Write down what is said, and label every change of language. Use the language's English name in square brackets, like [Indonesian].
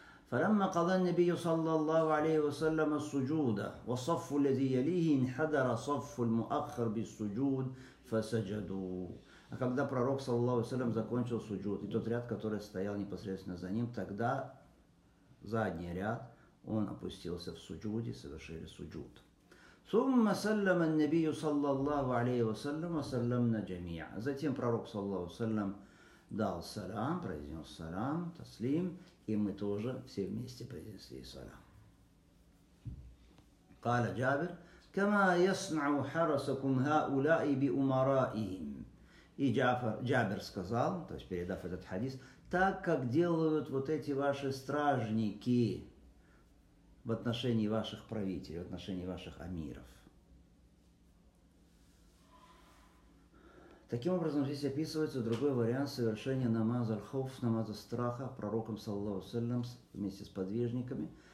[Arabic] فَلَمَّا قَضَى النَّبِيُّ صَلَّى اللَّهُ عَلَيْهِ وَسَلَّمَ السُّجُودَ وَصَفُّ الَّذِي يَلِيهِ انْحَدَرَ صَفُّ الْمُؤَخَّرِ بِالسُّجُودِ فَسَجَدُوا. [Russian] А когда пророк, саллаллаху алейхи ва саллям, закончил суджуд, и тот ряд, который стоял непосредственно за ним, тогда задний ряд, он опустился в суджуде, совершили суджуд. [Arabic] ثم سلم النبي صلى الله عليه وسلم وسلمنا جميعا. [Russian] Затем пророк صلى الله عليه وسلم дал салам, произнес салам, таслим, и мы тоже все вместе произнесли салам. [Arabic] قال جابر كما يصنع حرسكم هؤلاء بأمرائهم. [Russian] И Джабир сказал, то есть передав этот хадис, так как делают вот эти ваши стражники в отношении ваших правителей, в отношении ваших амиров. Таким образом, здесь описывается другой вариант совершения намаза аль-хауф, намаза страха, пророком, саллаллаху алейхи ва саллям, вместе с подвижниками.